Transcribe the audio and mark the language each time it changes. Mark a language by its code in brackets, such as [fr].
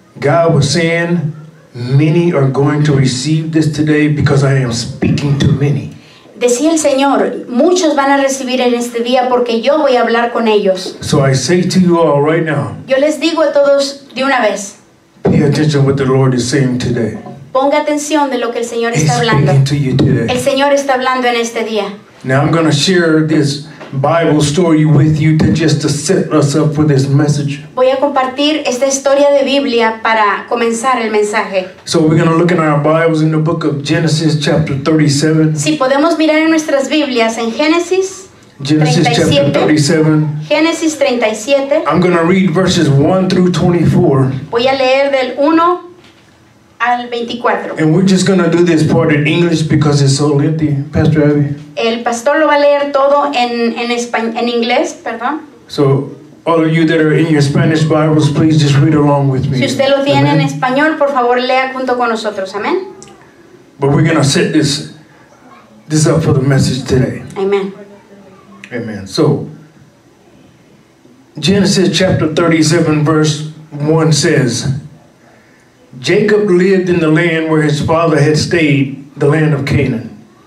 [en] God was saying, many are going to receive this today because I am speaking to many. [es] Decía el Señor, muchos van a recibir en este día porque yo voy a hablar con ellos. [en] So I say to you all right now, [es] yo les digo a todos de una vez, [en] pay attention to what the Lord is saying today. [es] Ponga atención de lo que el Señor está hablando. [en] He's speaking to you today. [es] El Señor está hablando en este día. [en] Now I'm going to share this Bible story with you to just to set us up for this message. [es] Voy a compartir esta historia de Biblia para comenzar el mensaje. [en] So we're going to look in our Bibles in the book of Genesis chapter 37. [es] Si podemos mirar en nuestras Biblias en Génesis [en] 37. [es] Génesis 37. [en] I'm going to read verses 1 through 24. [es] Voy a leer del 1 al 24. [en] And we're just going to do this part in English because it's so lengthy, Pastor Abby. [es] El pastor lo va a leer todo en inglés, perdón. [en] So, all of you that are in your Spanish Bibles, please just read along with me. [es] Si usted lo tiene en español, por favor, lea junto con nosotros. Amén. [en] But we're going to set this up for the message today. Amen. Amen. So, Genesis chapter 37, verse 1 says, Jacob lived in the land where his father had stayed, the land of Canaan.